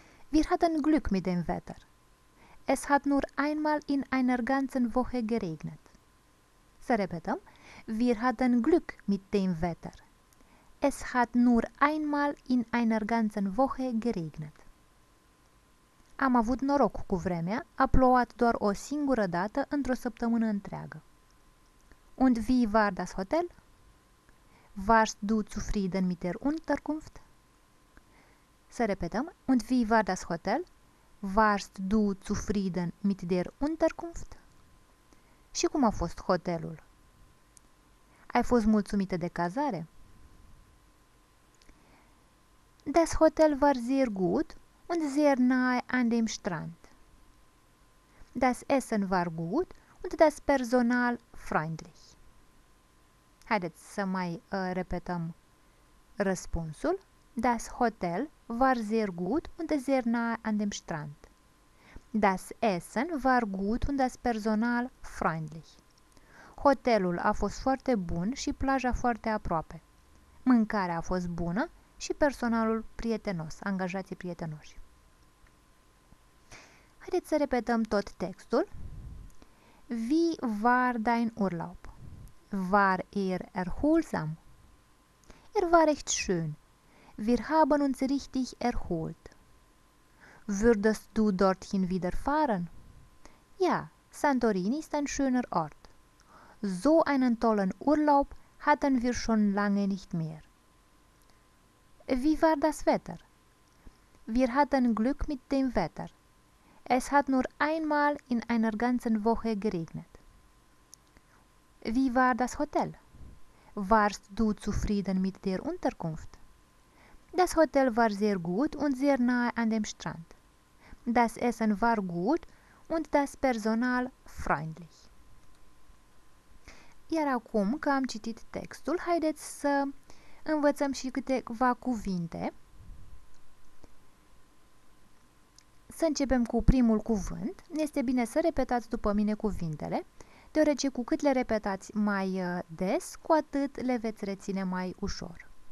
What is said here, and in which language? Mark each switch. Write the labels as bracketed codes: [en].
[de] Wir hatten Glück mit dem Wetter. Es hat nur einmal in einer ganzen Woche geregnet. [ro] Să repetăm. [de] Wir hatten Glück mit dem Wetter. Es hat nur einmal in einer ganzen Woche geregnet. [ro] Am avut noroc cu vremea, a plouat doar o singură dată într-o săptămână întreagă. [de] Und wie war das Hotel? Warst du zufrieden mit der Unterkunft? [ro] Să repetăm. [de] Und wie war das Hotel? Warst du zufrieden mit der Unterkunft? [ro] Și cum a fost hotelul? Ai fost mulțumită de cazare? [de] Das Hotel war sehr gut und sehr nahe an dem Strand. Das Essen war gut und das Personal freundlich. [ro] Haideți să mai repetăm răspunsul. [de] Das Hotel war sehr gut und sehr nahe an dem Strand. Das Essen war gut und das Personal freundlich. [ro] Hotelul a fost foarte bun și plaja foarte aproape. Mâncarea a fost bună și personalul prietenos, angajații prietenoși. Haideți să repetăm tot textul. [de] Wie war dein Urlaub? War er erholsam? Er war echt schön. Wir haben uns richtig erholt. Würdest du dorthin wieder fahren? Ja, Santorini ist ein schöner Ort. So einen tollen Urlaub hatten wir schon lange nicht mehr. Wie war das Wetter? Wir hatten Glück mit dem Wetter. Es hat nur einmal in einer ganzen Woche geregnet. Wie war das Hotel? Warst du zufrieden mit der Unterkunft? Das Hotel war sehr gut und sehr nahe an dem Strand. Das Essen war gut und das Personal freundlich. [ro] Iar acum că am citit textul, haideți să învățăm și câteva cuvinte. Să începem cu primul cuvânt. Este bine să repetați după mine cuvintele, deoarece cu cât le repetați mai des, cu atât le veți reține mai ușor.